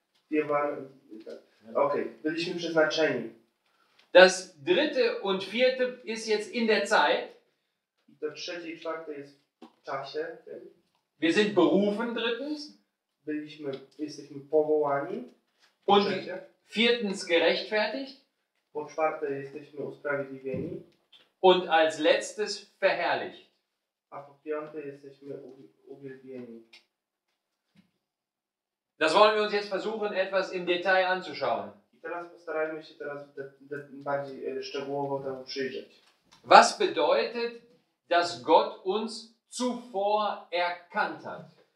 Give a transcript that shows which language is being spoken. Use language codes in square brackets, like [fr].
[de] Wir waren, [pl] okay, byliśmy przeznaczeni. [de] Das dritte und vierte ist jetzt in der Zeit. [pl] To trzecie i czwarte jest w czasie. [de] Wir sind berufen, drittens. [pl] Jesteśmy powołani. [de] Und viertens gerechtfertigt. [pl] Po czwarte jesteśmy usprawiedliwieni. [de] Und als letztes verherrlicht. [pl] A po piąte jesteśmy uwielbieni. [de] Das wollen wir uns jetzt versuchen, etwas im Detail anzuschauen. [pl] Teraz postarajmy się teraz bardziej szczegółowo temu przyjrzeć. [de] Was bedeutet, dass Gott uns zuvor erkannt hat?